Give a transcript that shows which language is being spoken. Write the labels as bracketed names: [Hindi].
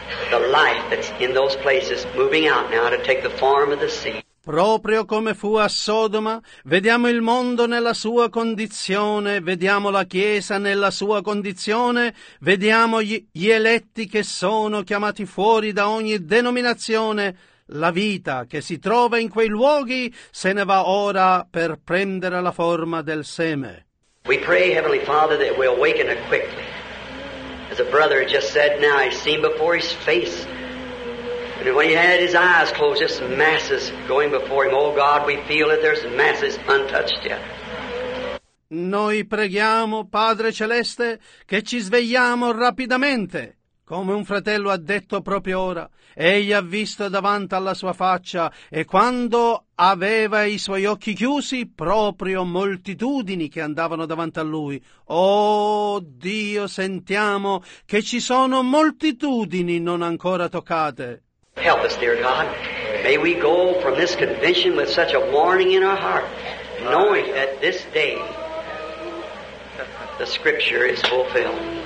[English] The life that's in those places moving out now to take the form of the sea. [Italian] Proprio come fu a Sodoma, vediamo il mondo nella sua condizione, vediamo la Chiesa nella sua condizione, vediamo gli eletti che sono chiamati fuori da ogni denominazione. La vita che si trova in quei luoghi se ne va ora per prendere la forma del seme. [English] We pray, Heavenly Father, that we awaken it quickly. As a brother just said now, he's seen before his face. And when he had his eyes closed, just masses going before him. Oh God, we feel that there's masses untouched yet. [Italian] Noi preghiamo, Padre Celeste, che ci svegliamo rapidamente. Come un fratello ha detto proprio ora, egli ha visto davanti alla sua faccia e quando aveva i suoi occhi chiusi, proprio moltitudini che andavano davanti a lui. Oh Dio, sentiamo che ci sono moltitudini non ancora toccate. [English] Help us, dear God. May we go from this convention with such a warning in our heart, knowing that this day the scripture is fulfilled.